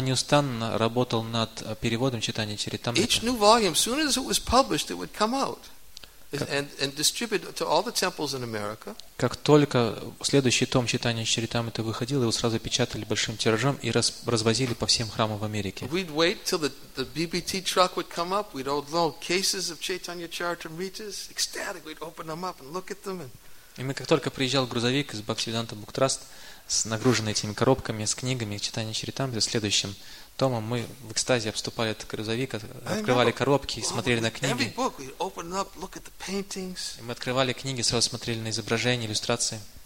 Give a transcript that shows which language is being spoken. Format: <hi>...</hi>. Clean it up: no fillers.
<ru>неустанно работал над переводом Чайтанья Чаритамриты. Как только следующий том Чайтанья Чаритамриты выходил, его сразу печатали большим тиражом и развозили по всем храмам в Америке.</ru> <en>We'd wait till the BBT truck would come up, we'd unload cases of Chaitanya Charitamritas, ecstatic, we'd open them up and look at them.</en> <ru>И мы, как только приезжал грузовик из Бхактивиданта Буктраст, с нагруженной этими коробками, с книгами, Чайтанья Чаритамрита, следующим томом, мы в экстазе обступали этот грузовик, открывали коробки и смотрели на книги. И мы открывали книги, сразу смотрели на изображения, иллюстрации.</ru>